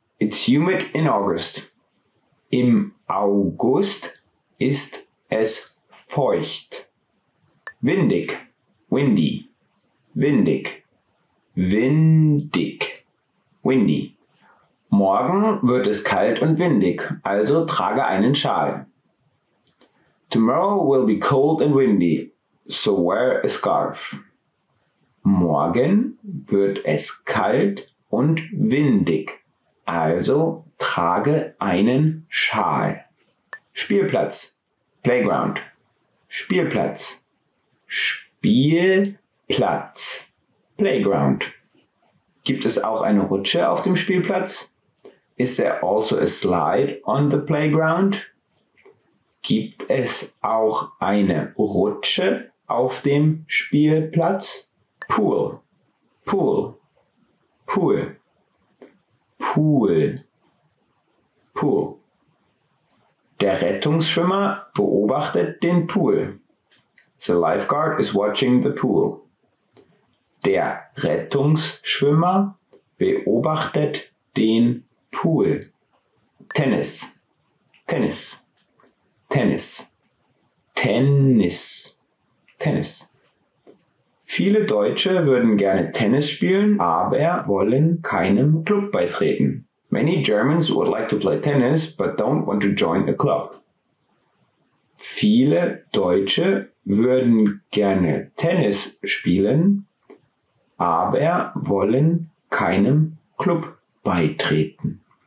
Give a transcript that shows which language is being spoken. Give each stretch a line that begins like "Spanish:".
English: It's humid in August.
German: Im August ist es feucht. Windig. Windy. Windig. Windig. Windy. Morgen wird es kalt und windig, also trage einen Schal.
English: Tomorrow will be cold and windy, so wear a scarf.
German: Morgen wird es kalt und windig, also trage einen Schal. Spielplatz, Playground. Spielplatz, Spielplatz, Playground. Gibt es auch eine Rutsche auf dem Spielplatz?
English: Is there also a slide on the playground?
German: Gibt es auch eine Rutsche auf dem Spielplatz? Pool, pool, pool, pool, pool. Der Rettungsschwimmer beobachtet den Pool.
English: The lifeguard is watching the pool.
German: Der Rettungsschwimmer beobachtet den Pool. Tennis, Tennis, Tennis, Tennis, Tennis. Viele Deutsche würden gerne Tennis spielen, aber wollen keinem Club beitreten.
English: Many Germans would like to play tennis, but don't want to join a club.
German: Viele Deutsche würden gerne Tennis spielen, aber wollen keinem Club beitreten.